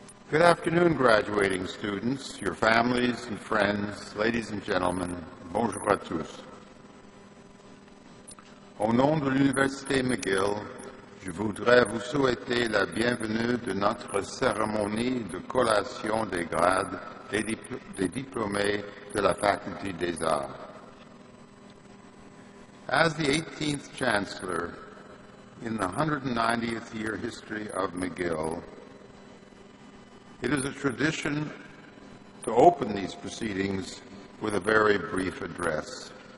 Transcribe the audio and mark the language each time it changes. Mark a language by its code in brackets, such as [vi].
[en] Good afternoon, graduating students, your families and friends, ladies and gentlemen. [fr] Bonjour à tous. Au nom de l'Université McGill, je voudrais vous souhaiter la bienvenue de notre cérémonie de collation des grades des diplômés de la Faculté des Arts. [en] As the 18th Chancellor in the 190th year history of McGill, it is a tradition to open these proceedings with a very brief address.